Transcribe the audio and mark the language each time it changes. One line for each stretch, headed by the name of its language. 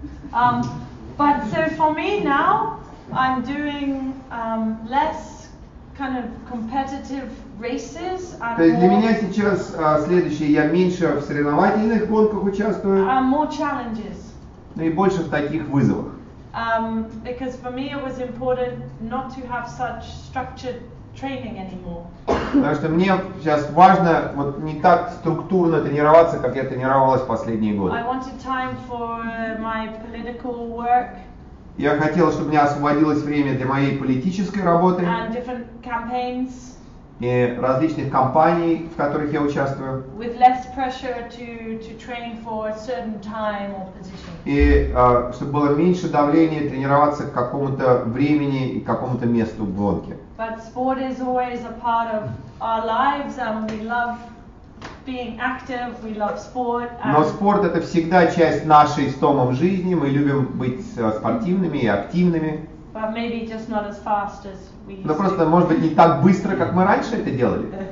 English: But so for me now, I'm doing less kind of competitive races.
Russian: То есть для меня сейчас следующее, я меньше в соревновательных гонках участвую.
English: More challenges.
Russian: Ну и больше в таких вызовах.
English: Because for me it was important not to have such structured training anymore.
Russian: Потому что мне сейчас важно вот не так структурно тренироваться, как я тренировалась последние годы.
English: I wanted time for my political work.
Russian: Я хотела, чтобы у меня освободилось время для моей политической работы.
English: And different campaigns.
Russian: И различных кампаний, в которых я участвую.
English: With less pressure to train for a certain time or position.
Russian: И чтобы было меньше давления тренироваться к какому-то времени и какому-то месту в гонке.
English: But sport is always a part of our lives, and we love being active, we love sport. And...
Russian: Но спорт это всегда часть нашей с Томом жизни, мы любим быть спортивными и активными.
English: But maybe just not as fast as we used to.
Russian: Ну просто, может быть, не так быстро, как мы раньше это делали.